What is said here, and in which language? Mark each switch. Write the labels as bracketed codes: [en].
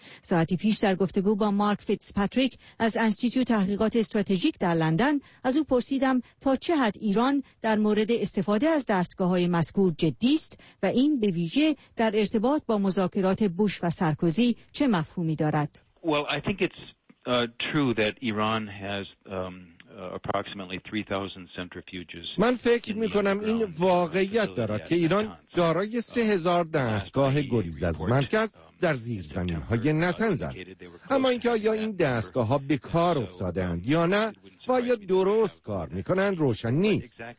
[fa] ساعتی پیش در گفتگو با مارک فیتزپاتریک از انستیتو تحقیقات استراتژیک در لندن از او پرسیدم تا چه حد ایران در مورد استفاده از دستگاه‌های مذکور جدی است و این به ویژه در ارتباط با مذاکرات بوش و سارکوزی چه مفهومی دارد. [en] Well, I think it's true that Iran has approximately 3000 centrifuges. [fa] من فکر می کنم این واقعیت دارد که ایران دارای 3000 دستگاه گریز از مرکز در زیرزمین های نطنز است. اما اینکه آیا این دستگاه ها به کار افتاده اند یا نه و یا درست کار می کنند روشن نیست.